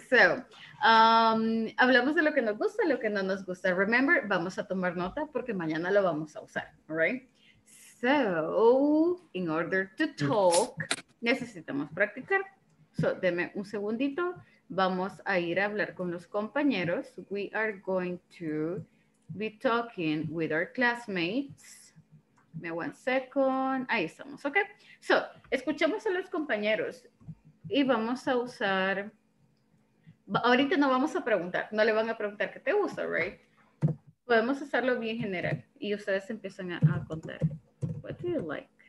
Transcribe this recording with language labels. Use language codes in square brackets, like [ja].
[es] So, hablamos de lo que nos gusta, lo que no nos gusta. Remember, vamos a tomar nota porque mañana lo vamos a usar, all right? [en] So, in order to talk, [es] necesitamos practicar. So, deme un segundito. Vamos a ir a hablar con los compañeros. [en] We are going to be talking with our classmates. Me one second. [es] Ahí estamos, okay? So, escuchemos a los compañeros. Y vamos a usar, ahorita no vamos a preguntar, no le van a preguntar qué te gusta, right? Podemos hacerlo bien general y ustedes empiezan a contar. [en] What do you like?